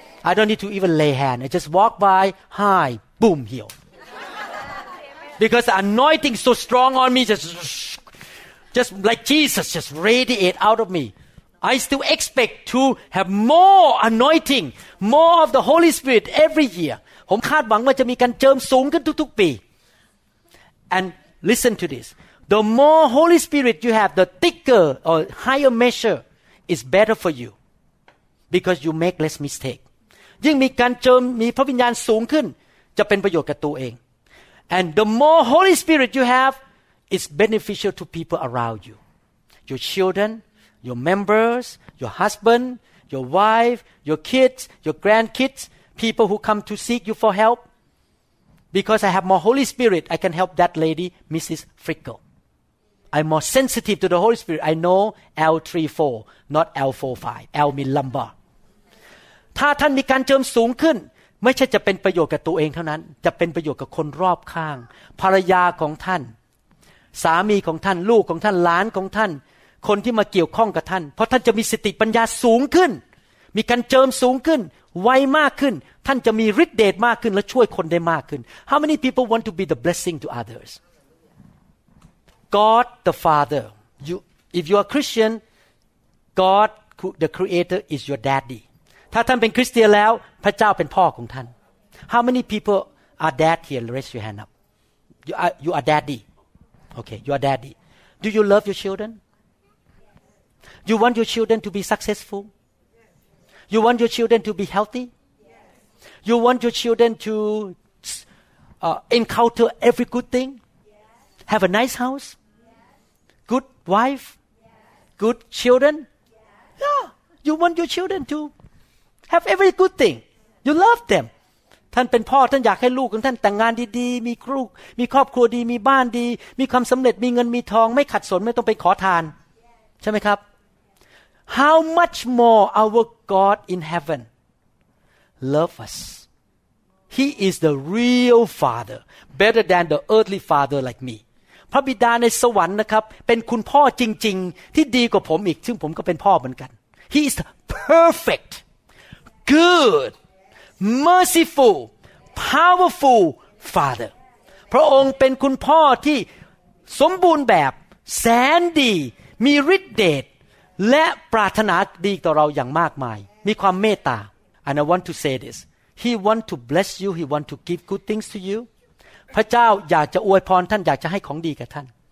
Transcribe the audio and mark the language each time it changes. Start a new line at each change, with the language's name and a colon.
English: I don't need to even lay hand I just walk by hi boom healed because the anointing so strong on me just like Jesus just radiate out of meI still expect to have more anointing, more of the Holy Spirit every year.
Thai: ผมคาดหวังว่าจะมีการเจิมสูงขึ้นทุกๆปี
English: And listen to this. The more Holy Spirit you have, the thicker or higher measure is better for you. Because you make less mistake.
Thai: ยิ่งมีการเจิมมีพระวิญญาณสูงขึ้นจะเป็นประโยชน์กับตัวเอง
English: And the more Holy Spirit you have, it's beneficial to people around you. Your children,Your members, your husband, your wife, your kids, your grandkids, people who come to seek you for help. Because I have more Holy Spirit, I can help that lady, Mrs. Frickle. I'm more sensitive to the Holy Spirit. I know L34, not L45. L means lumbar.
Thai: ถ้าท่านมีการเจิมสูงขึ้นไม่ใช่จะเป็นประโยชน์กับตัวเองเท่านั้นจะเป็นประโยชน์กับคนรอบข้างภรรยาของท่านสามีของท่านลูกของท่านหลานของท่านคนที่มาเกี่ยวข้องกับท่านเพราะท่านจะมีสติปัญญาสูงขึ้นมีการเจิมสูงขึ้นไวมากขึ้นท่านจะมีฤทธิ์เดชมากขึ้นและช่วยคนได้มากขึ้น
English: How many people want to be the blessing to others? God the Father, if you are Christian, God the Creator is your daddy.
Thai: ถ้าท่านเป็นคริสเตียนแล้วพระเจ้าเป็นพ่อของท่าน
English: How many people are dad here? Raise your hand up. You are daddy. Okay, you are daddy. Do you love your children? You want your children to be successful? You want your children to be healthy? You want your children to encounter every good thing? Have a nice house? Good wife? Good children? Yeah. You want your children to have every good thing. You love them.
Thai: ท่านเป็นพ่อท่านอยากให้ลูกของท่านแต่งงานดีๆมีครูมีครอบครัวดีมีบ้านดีมีความสำเร็จมีเงินมีทองไม่ขัดสนไม่ต้องไปขอทานใช่ไหมครับ
English: How much more our God in heaven love us. He is the real father, better than the earthly father like me.
Thai: พระบิดาในสวรรค์นะครับเป็นคุณพ่อจริงๆที่ดีกว่าผมอีกซึ่งผมก็เป็นพ่อเหมือนกัน
English: He is perfect, good, merciful, powerful father.
Thai: พระองค์เป็นคุณพ่อที่สมบูรณ์แบบแสนดีมีฤทธิ์เดชและปรารถนาดีต่อเราอย่างมากมายมีความเมตตา
English: And I want to say this He want to bless you He want to give good things to you
Thai: พระเจ้าอยากจะอวยพรท่านอยากจะให้ของดีกับท่าน